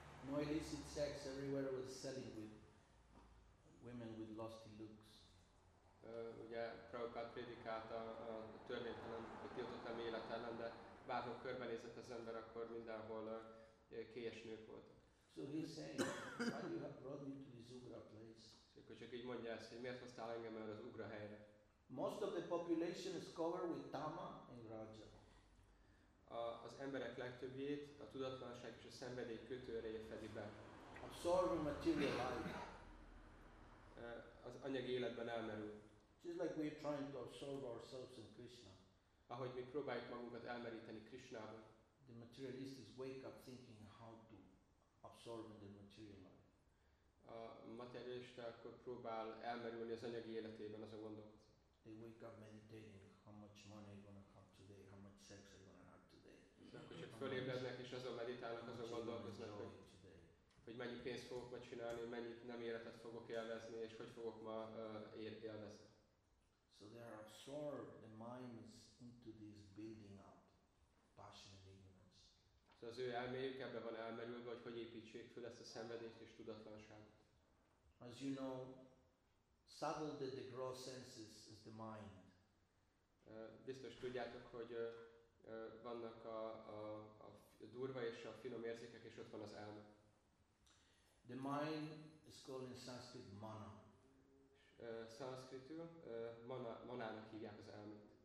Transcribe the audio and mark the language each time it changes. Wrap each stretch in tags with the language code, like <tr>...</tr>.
<en>No illicit sex everywhere was selling with women with lusty looks.</en> <hu>Ugye Prabhupád prédikált a törvénytelen, a tiltott nem élet ellen, de bárhol körbenézett az ember, akkor mindenhol kélyes nők voltak.</hu> <en>So he is saying, why you have brought me to this Ugra place?</en> <hu>És akkor csak így mondja ezt, hogy miért hoztál engem el az Ugra helyre?</hu> <en>Most of the population is covered with Tama and Raja.</en> <hu>Az emberek legtöbbjét a tudatlanság és a szenvedély kötőereje fedi be.</hu> <en>Absorbing material life.</en> <hu>Az anyagi életben elmerül.</hu> <en>Just like we're trying to absorb ourselves in Krishna.</en> <hu>Ahogy mi próbáljuk magunkat elmeríteni Krishnában.</hu> <en>The materialists wake up thinking how to absorb the material life.</en> <hu>A materialista akkor próbál elmerülni az anyagi életében, az a gondolat.</hu> <en>They wake up meditating how much money I'm gonna have today, how much sex I'm gonna have today.</en> <hu>Akkor csak fölébrednek és azon meditálnak, azon gondolkoznak, hogy mennyi pénzt fogok ma csinálni, mennyit nem életet fogok élvezni, és hogy fogok ma élvezni.</hu> <en>So they are absorbed, the mind is into this building up, passion and ignorance.</en> <hu>So az ő elméjük ebbe van elmerülve, hogy hogy építsék föl ezt a szenvedést és tudatlanságot.</hu> <en>As you know, subtle that the gross senses is the mind.</en> <hu>Biztos tudjátok, hogy vannak a durva és a finom érzékek, és ott van az elme.</hu> <en>The mind is called in Sanskrit mana.</en> <hu>Sanskritul manának hívják az elmét.</hu>